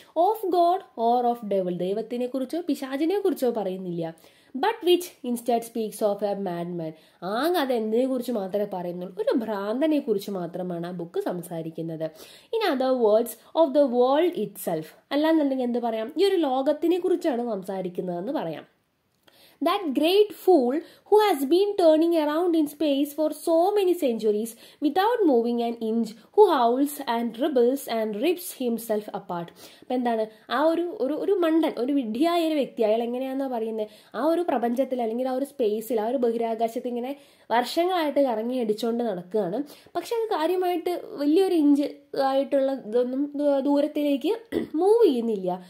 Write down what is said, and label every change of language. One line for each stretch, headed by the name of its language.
English: of God or of devil,
Malayalam: ദൈവത്തിനെ കുറിച്ചോ പിശാചിനെ കുറിച്ചോ പറയുന്നില്ല.
English: but which instead speaks of a madman,
Malayalam: Aung അത് എന്തിനെ കുറിച്ച് മാത്രമേ പറയുന്നുള്ളൂ, ഒരു ഭ്രാന്തനെ കുറിച്ച് മാത്രമാണ് ആ ബുക്ക് സംസാരിക്കുന്നത്.
English: in other words of the world itself,
Malayalam: അല്ലാന്നുണ്ടെങ്കിൽ എന്ത് പറയാം, ഈ ഒരു ലോകത്തിനെ കുറിച്ചാണ് സംസാരിക്കുന്നതെന്ന് പറയാം.
English: That great fool who has been turning around in space for so many centuries without moving an inch, who howls and dribbles and rips himself apart.
Malayalam: അപ്പം എന്താണ്, ആ ഒരു ഒരു ഒരു മണ്ടൻ, ഒരു വിഡ്ഢിയായ ഒരു വ്യക്തി, അയാൾ എങ്ങനെയാണെന്നാ പറയുന്നത്, ആ ഒരു പ്രപഞ്ചത്തിൽ അല്ലെങ്കിൽ ആ ഒരു സ്പേസിൽ ആ ഒരു ബഹിരാകാശത്ത് ഇങ്ങനെ വർഷങ്ങളായിട്ട് കറങ്ങി അടിച്ചുകൊണ്ട് നടക്കുകയാണ്. പക്ഷെ അത് കാര്യമായിട്ട് വലിയൊരു ഇഞ്ച് ആയിട്ടുള്ള ഇതൊന്നും ദൂരത്തിലേക്ക് മൂവ് ചെയ്യുന്നില്ല.